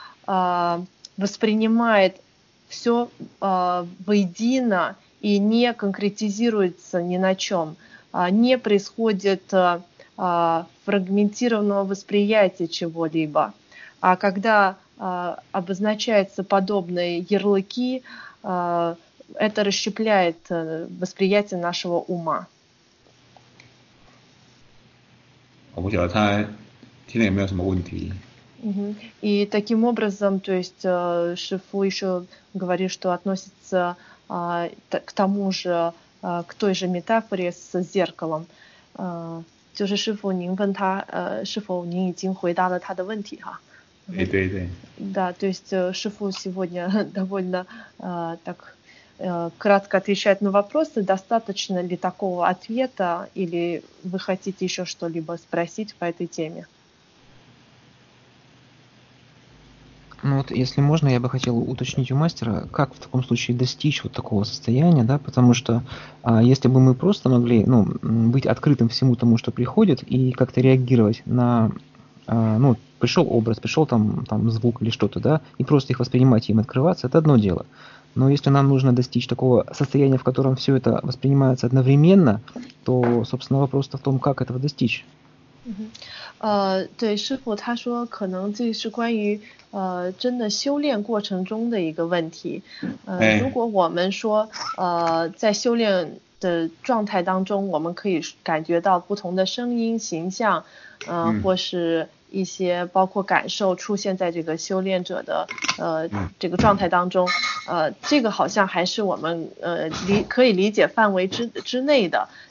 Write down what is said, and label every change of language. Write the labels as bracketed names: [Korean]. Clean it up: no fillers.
[Russian] воспринимает все воедино и не конкретизируется ни на чем, не происходит фрагментированного восприятия чего-либо. А когда обозначаются подобные ярлыки, это расщепляет восприятие нашего ума. [Chinese] 我不晓得他听了有没有什么问题。 [Russian] И таким образом, то есть Шифу еще говорит, что относится к тому же, к той же метафоре с зеркалом. [Chinese] 就是师傅，您问他，是否您已经回答了他的问题哈？对对对。 [Russian] Да, то есть Шифу сегодня довольно так кратко отвечает на вопросы. Достаточно ли такого ответа или вы хотите еще что-либо спросить по этой теме? Ну вот, если можно, я бы хотел уточнить у мастера, как в таком случае достичь вот такого состояния, да, потому что если бы мы просто могли, ну, быть открытым всему тому, что приходит, и как-то реагировать на, ну, пришел образ, пришел там звук или что-то, да, и просто их воспринимать, им открываться, это одно дело. Но если нам нужно достичь такого состояния, в котором все это воспринимается одновременно, то, собственно, вопрос-то в том, как этого достичь. [Chinese] 对，师父他说可能这是关于真的修炼过程中的一个问题。如果我们说在修炼的状态当中，我们可以感觉到不同的声音、形象，或是一些包括感受出现在这个修炼者的这个状态当中，这个好像还是我们可以理解范围之内的。